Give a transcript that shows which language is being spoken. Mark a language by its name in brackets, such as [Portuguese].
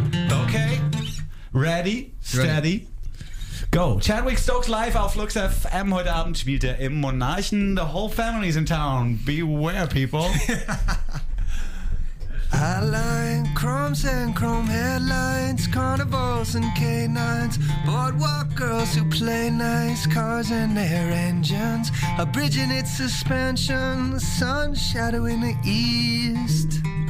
[English] Okay. Ready? Steady? Ready. Go. [German] Chadwick Stokes live auf Lux FM. Heute Abend spielt im Monarchen. [English] The whole family's in town. Beware, people. I like crumbs and chrome headlines, carnivals and canines, boardwalk girls who play nice, cars and air engines, a bridge in its suspension, sun shadow in the east.